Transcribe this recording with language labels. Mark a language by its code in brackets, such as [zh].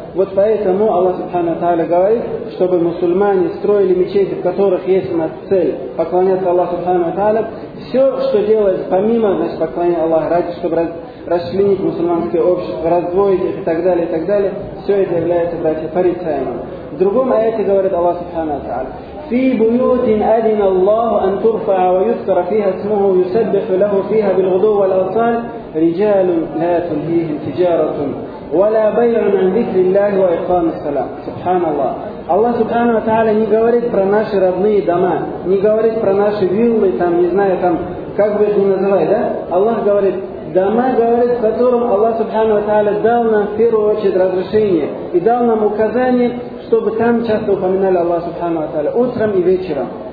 [ru] Вот поэтому Аллах Субхану Тааля говорит, чтобы мусульмане строили мечети, в которых есть у нас цель поклоняться Аллаху Субхану Тааля, все, что делается помимо, значит, поклонения Аллаха, ради, чтобы расчленить мусульманское общество, раздвоить их и так далее, все это является, братья, порицаемым. В другом аяте говорит Аллах Субхану Тааля, [ar] في بيوت أذن الله أن ترفع ويذكر فيها اسمه يسبح له فيها بالغدو والأصال رجال لا تلهيهم تجارة ولا بيع عن ذكر الله وإقام الصلاة. سبحان الله. الله سبحانه وتعالى [ru] не говорит про наши родные дома, не говорит про наши виллы, там, не знаю, там, как бы их ни называли, да? Аллах говорит, дома, говорит, в котором Аллах Субхану ва Тааля дал нам в первую очередь разрешение и дал нам указание, чтобы там часто упоминали Аллах Субхану ва Тааля утром и вечером.